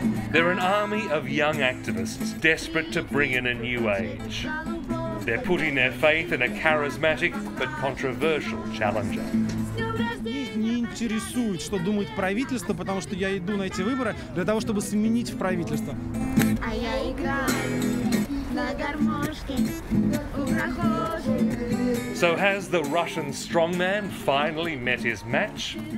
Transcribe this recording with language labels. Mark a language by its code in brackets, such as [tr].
[en] They're an army of young activists desperate to bring in a new age. They're putting their faith in a charismatic but controversial challenger. [ru] Интересует, что думает правительство, потому что я иду на эти выборы для того, чтобы сменить правительство. А я играю на гармошке у прохожих. [en] So has the Russian strongman finally met his match?